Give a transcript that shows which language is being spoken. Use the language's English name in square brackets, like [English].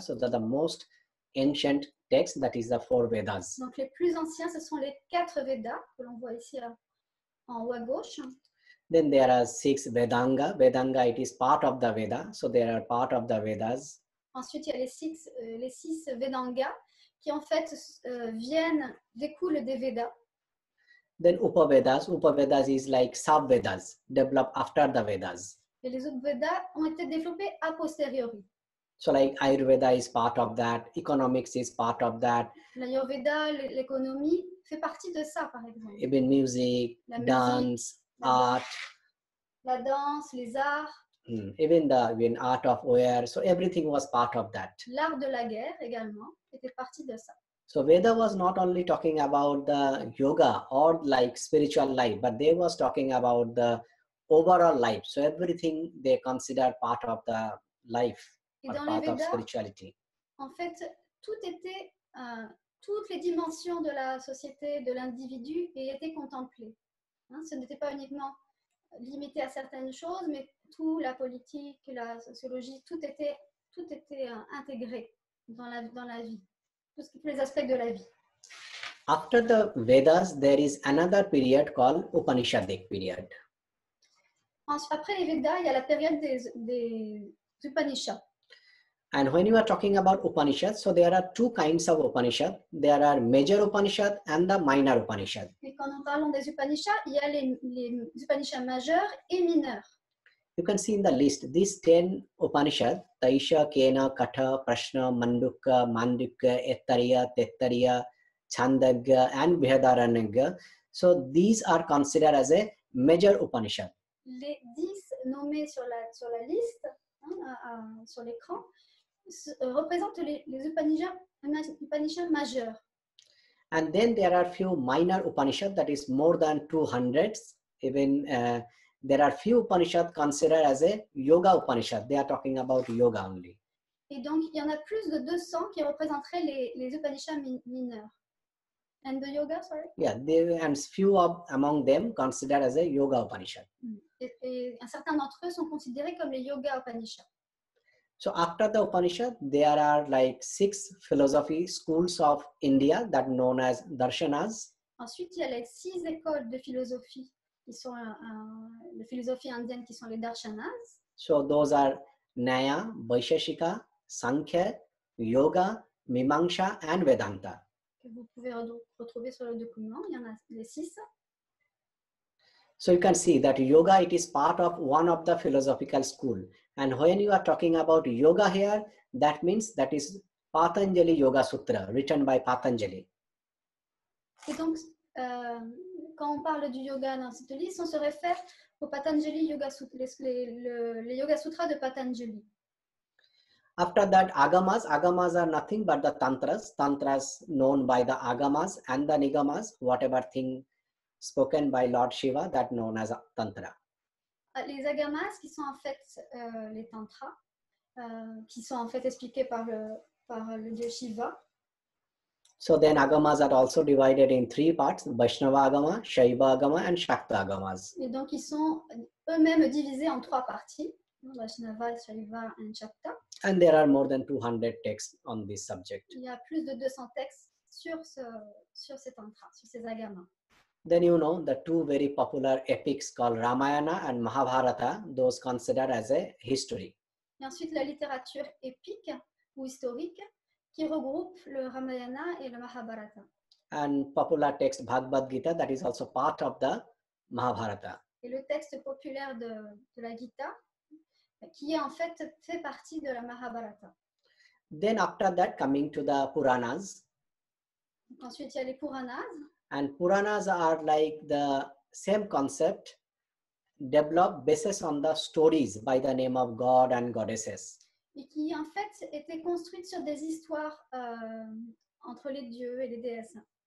[English] So they're the most ancient texts, that is the four Vedas. [French] Donc les plus anciens, ce sont les quatre Vedas que l'on voit ici en haut à gauche. [English] Then there are six Vedanga. Vedanga, it is part of the Veda. So there are part of the Vedas. [French] Ensuite, il y a les six Vedanga qui en fait découlent des Vedas. [English] Then Upavedas. Upavedas is like sub-Vedas, developed after the Vedas. [French] Et les Upavedas ont été développés a posteriori. [English] So like Ayurveda is part of that, economics is part of that. [French] L'Ayurveda, l'économie, fait partie de ça, par exemple. [English] Even music, dance, art. [French] La danse, les arts. [English] Even art of war, so everything was part of that. [French] L'art de la guerre, également, était partie de ça. [English] So Veda was not only talking about the yoga or like spiritual life, but they was talking about the overall life. So everything they considered part of the life, part Veda, of spirituality. [French] En fait, tout était, toutes les dimensions de la société, de l'individu, étaient contemplées. Hein? Ce n'était pas uniquement limité à certaines choses, mais tout, la politique, la sociologie, tout était intégré dans la vie. Tous les aspects de la vie. [English] After the Vedas, there is another period called Upanishadic period. [French] Après les Vedas, il y a la période des Upanishads. [English] And when you are talking about Upanishads, so there are two kinds of Upanishads. There are major Upanishads and the minor Upanishads. [French] Et quand on parle des Upanishads, il y a les Upanishads majeurs et mineurs. [English] You can see in the list, these 10 Upanishads, Taisha, Kena, Katha, Prashna, Mandukya, Mandukya, Ettariya, Tettariya, Chandagya, and Vihadaranyaka. So these are considered as a major Upanishad. [French] Les 10 nommés sur la liste, hein, sur l'écran, représentent les Upanishads majeurs. [English] And then there are few minor Upanishads, that is more than 200. Even there are few Upanishads considered as a yoga Upanishad. They are talking about yoga only. [French] Et donc, il y en a plus de 200 qui représenteraient les Upanishads mineurs. [English] And the yoga, sorry? Yeah, there and few of, among them considered as a yoga Upanishad. [French] Et certains d'entre eux sont considérés comme les yoga Upanishads. [English] So after the Upanishad, there are like six philosophy schools of India that known as darshanas. [French] Ensuite, il y a les six écoles de philosophie qui sont la philosophie indienne qui sont les darshanas. [English] So those are Naya, Vaisheshika, Sankhya, Yoga, Mimamsa, and Vedanta. [French] Vous pouvez retrouver sur le document, il y en a les six. [English] So you can see that yoga, it is part of one of the philosophical school. And when you are talking about yoga here, that means that is Patanjali Yoga Sutra, written by Patanjali. [French] Et donc, quand on parle du yoga dans cette liste, on se réfère au Patanjali Yoga Sutra, les Yoga Sutras de Patanjali. [English] After that, agamas. Agamas are nothing but the tantras. Tantras known by the agamas and the nigamas, whatever thing spoken by Lord Shiva, that known as a tantra. [French] Les agamas qui sont en fait les tantras, qui sont en fait expliqués par le dieu Shiva. [English] So then agamas are also divided in three parts, Vaishnava agama, Shaiva agama and Shakta agamas. [French] Et donc ils sont eux-mêmes divisés en trois parties, Vaishnava, Shaiva and Shakta. [English] And there are more than 200 texts on this subject. [French] Il y a plus de 200 textes sur ces tantras, sur ces agamas. [English] Then you know the two very popular epics called Ramayana and Mahabharata, those considered as a history. [French] Et ensuite la littérature épique ou historique qui regroupe le Ramayana et le Mahabharata. [English] And popular text Bhagavad Gita, that is also part of the Mahabharata. [French] Et le texte populaire de la Gita qui est en fait fait partie de la Mahabharata. [English] Then after that, coming to the Puranas. [French] Donc ensuite il y a les Puranas. [English] And Puranas are like the same concept developed basis on the stories by the name of God and goddesses. [French] Et qui en fait étaient construites sur des histoires entre les dieux et les déesses.